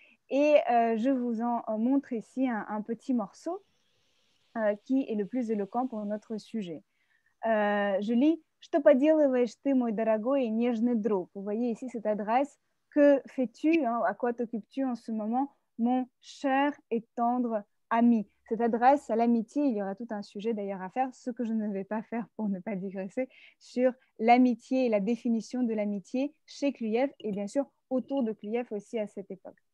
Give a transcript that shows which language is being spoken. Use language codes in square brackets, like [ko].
[fr] Et je vous en montre ici un petit morceau qui est le plus éloquent pour notre sujet. Je lis. [ru] Что поделываешь ты, мой дорогой и нежный друг? [fr] Vous voyez ici cette adresse. Que fais-tu, hein, à quoi t'occupes-tu en ce moment, mon cher et tendre ami? Cette adresse à l'amitié, il y aura tout un sujet d'ailleurs à faire, ce que je ne vais pas faire pour ne pas digresser, sur l'amitié et la définition de l'amitié chez Kluyev et bien sûr autour de Kluyev aussi à cette époque.